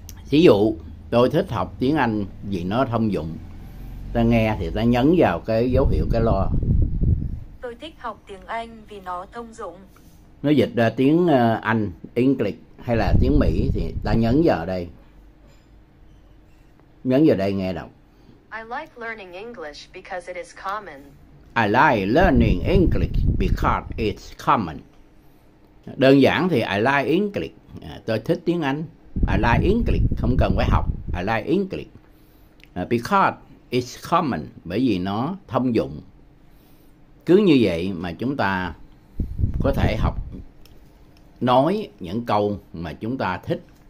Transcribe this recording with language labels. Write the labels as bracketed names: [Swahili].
[Vietnamese] Ví dụ, tôi thích học tiếng Anh vì nó thông dụng. Ta nghe thì ta nhấn vào cái dấu hiệu cái loa. Tôi thích học tiếng Anh vì nó thông dụng. Nó dịch ra tiếng Anh, English hay là tiếng Mỹ thì ta nhấn vào đây. Nhấn vào đây nghe đọc. [English] I like learning English because it is common. I like learning English because it's common. [Vietnamese] Đơn giản thì [English] I like English. [Vietnamese] Tôi thích tiếng Anh. [English] I like English. [Vietnamese] Không cần phải học. I like English. [English] Because it's common. [Vietnamese] Bởi vì nó thông dụng. Cứ như vậy mà chúng ta có thể học nói những câu mà chúng ta thích.